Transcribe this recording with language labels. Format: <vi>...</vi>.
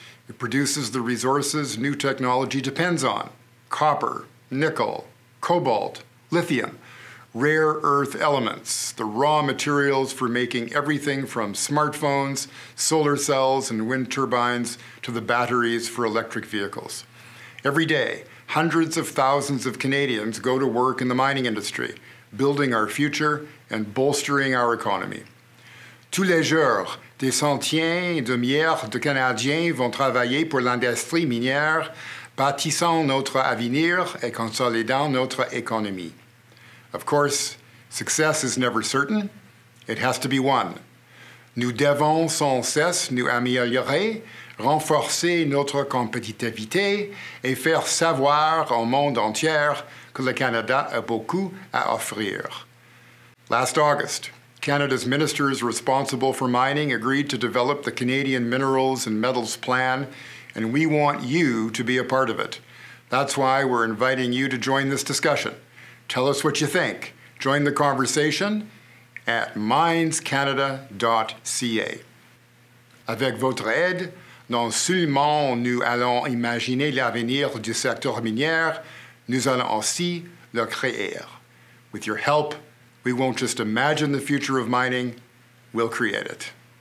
<en>It produces the resources new technology depends on: copper, nickel, cobalt, lithium, rare earth elements, the raw materials for making everything from smartphones, solar cells, and wind turbines to the batteries for electric vehicles. Every day, hundreds of thousands of Canadians go to work in the mining industry, building our future and bolstering our economy.</en> <fr>Tous les jours, des centaines de milliers de Canadiens vont travailler pour l'industrie minière, bâtissant notre avenir et consolidant notre économie.</fr> <en>Of course, success is never certain. It has to be won.</en> <fr>Nous devons sans cesse nous améliorer, renforcer notre compétitivité et faire savoir au monde entier que le Canada a beaucoup à offrir.</fr> <en>Last August, Canada's ministers responsible for mining agreed to develop the Canadian Minerals and Metals Plan, and we want you to be a part of it. That's why we're inviting you to join this discussion. Tell us what you think. Join the conversation at minescanada.ca.</en> <fr>Avec votre aide, non seulement nous allons imaginer l'avenir du secteur minier, nous allons aussi le créer.</fr> <en>With your help, we won't just imagine the future of mining, we'll create it.</en>